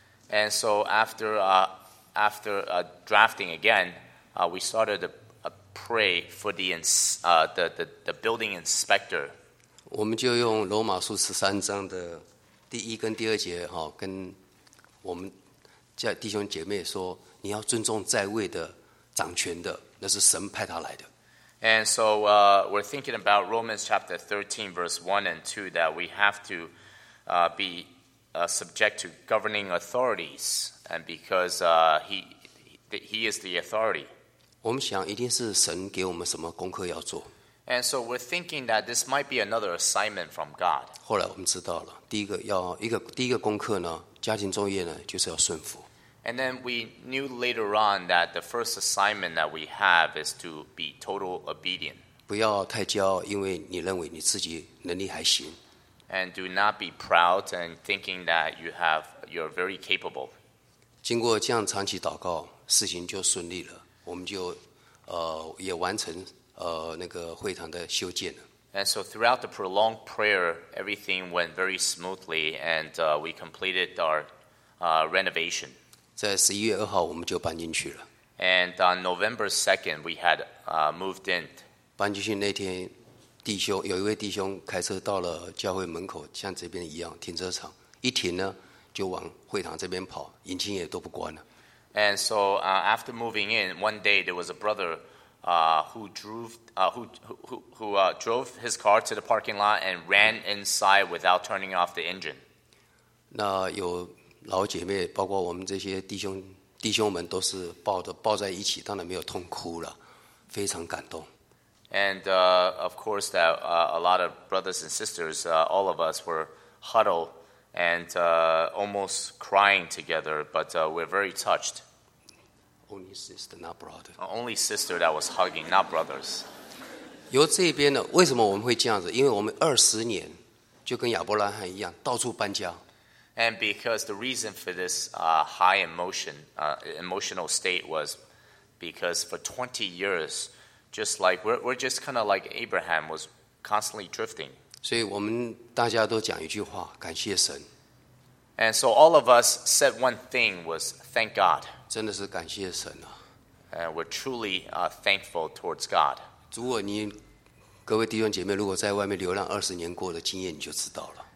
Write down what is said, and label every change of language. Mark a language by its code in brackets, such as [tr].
[en] And so after drafting again, we started to pray for the building inspector. [zh] 我们就用罗马书十三章的第一跟第二节哈，跟我们叫弟兄姐妹说，你要尊重在位的掌权的，那是神派他来的。 [en] And so we're thinking about Romans chapter 13, verse 1 and 2, that we have to be subject to governing authorities, and because he is the authority. [zh] 我们想一定是神给我们什么功课要做。 [en] And so we're thinking that this might be another assignment from God. [zh] 后来我们知道了，第一个功课呢，家庭作业呢，就是要顺服。 [en] And then we knew later on that the first assignment that we have is to be total obedient. [zh] 不要太骄傲，因为你认为你自己能力还行。 [en] And do not be proud and thinking that you're very capable. [zh] 经过这样长期祷告，事情就顺利了，我们就也完成。那个会堂的修建了。 [en] And so throughout the prolonged prayer, everything went very smoothly, and we completed our renovation. [zh] 在十一月二号，我们就搬进去了。 [en] And on November 2nd, we had moved in. [zh] 搬进去那天，有一位弟兄开车到了教会门口，像这边一样停车场，一停呢就往会堂这边跑，引擎也都不关了。 [en] And so after moving in, one day there was a brother. Drove his car to the parking lot and ran inside without turning off the engine. [zh] 那有老姐妹，包括我们这些弟兄们，都是抱在一起，当然没有痛哭了，非常感动。 [en] And of course, that a lot of brothers and sisters, all of us were huddled and almost crying together, but we're very touched. Only sister, not brother. Only sister that was hugging, not brothers. [zh] 由这边呢，为什么我们会这样子？因为我们二十年就跟亚伯拉罕一样，到处搬家。 [en] And because the reason for this high emotional state was because for 20 years, just like we're just kind of like Abraham was constantly drifting. [zh] 所以我们大家都讲一句话，感谢神。 [en] And so all of us said one thing was thank God. [zh] 真的是感谢神啊。 [en] And we're truly thankful towards God. [zh] 如果你各位弟兄姐妹如果在外面流浪二十年过的经验你就知道了。